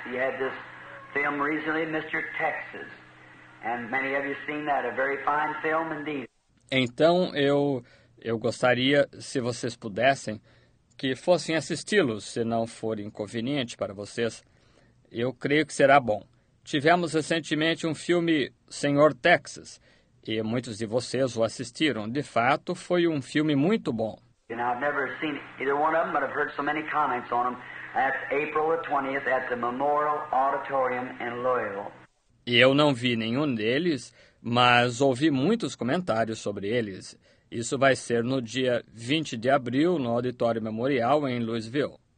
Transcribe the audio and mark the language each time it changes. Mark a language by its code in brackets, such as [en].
[en] You had this film recently, Mr. Texas, and many of you seen that, a very fine film indeed. [pt] Então eu gostaria, se vocês pudessem, que fossem assisti-los, se não for inconveniente para vocês. Eu creio que será bom. Tivemos recentemente um filme, Senhor Texas, e muitos de vocês o assistiram. De fato, foi um filme muito bom. [en] You know, I've never seen either one of them, but I've heard so many comments on them. That's April the 20th at the Memorial Auditorium in Louisville. [pt] E eu não vi nenhum deles, mas ouvi muitos comentários sobre eles. Isso vai ser no dia 20 de abril, no Auditório Memorial, em Louisville.